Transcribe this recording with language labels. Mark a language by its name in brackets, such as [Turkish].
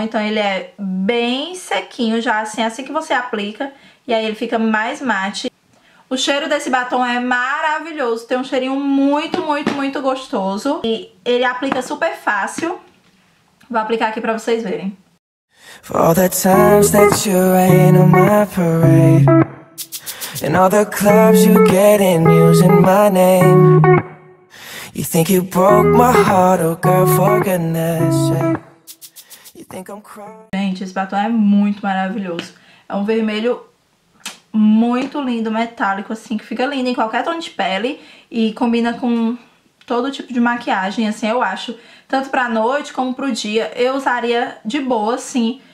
[Portuguese] Então ele é bem sequinho já, assim que você aplica, e aí ele fica mais mate. O cheiro desse batom é maravilhoso, tem um cheirinho muito, muito, muito gostoso. E ele aplica super fácil. Vou aplicar aqui pra vocês verem. [English] For all the times that you rain on my parade, and all the clubs you get in using my name. You think you broke my heart, oh girl, for goodness sake. You think I'm crying. [Portuguese] Gente, esse batom é muito maravilhoso. É um vermelho muito lindo, metálico, assim, que fica lindo em qualquer tom de pele e combina com todo tipo de maquiagem, assim, eu acho. Tanto pra noite como pro dia, eu usaria de boa, assim.